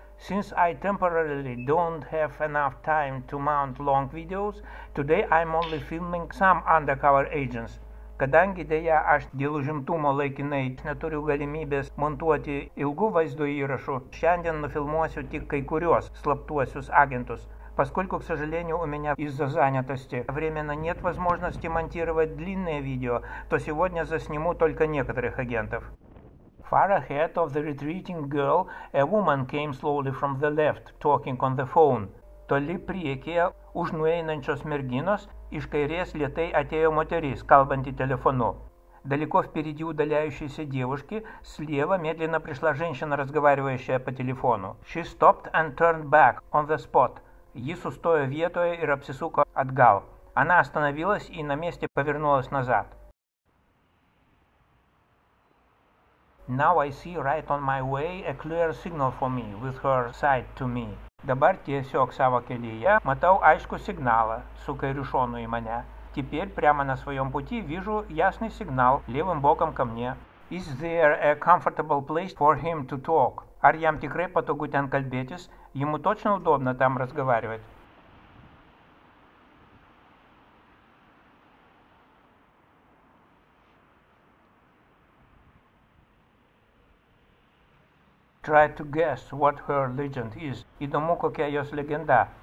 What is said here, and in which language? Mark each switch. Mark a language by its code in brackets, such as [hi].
[en] Since I temporarily don't have enough time to mount long videos, today I'm only filming some undercover agents. [lt] Kadangi deja aš dėl užimtumo laikinai neturiu galimybės montuoti ilgų vaizdo įrašų, šiandien nufilmuosiu tik kai kuriuos slaptuosius агентus. [ru] Поскольку, к сожалению, у меня из-за занятости временно нет возможности монтировать длинное видео, то сегодня засниму только некоторых агентов. [en] Far ahead of the retreating girl, a woman came slowly from the left, talking on the phone. [lt] Toli priekyje, už nueinančios merginos, iš kairės lietai atėjo moteris, kalbanti telefonu. [ru] Далеко впереди удаляющейся девушки, слева медленно пришла женщина, разговаривающая по телефону. [en] She stopped and turned back on the spot. [lt] Jis sustojo vietoje ir apsisuko atgal. [ru] Она остановилась и на месте повернулась назад. [en] Now I see right on my way a clear signal for me, with her side to me. [lt] Dabar tiesiog savo kelyje matau aiškų signalą su kairiu šonu į mane. [ru] Теперь прямо на своем пути вижу ясный сигнал левым боком ко мне. [en] Is there a comfortable place for him to talk? [lt] Ar jam tikrai patogu ten kalbėtis? [ru] Ему точно удобно там разговаривать. [en] Try to guess what her legend is. [lt] Įdomu, kokia jos легенда.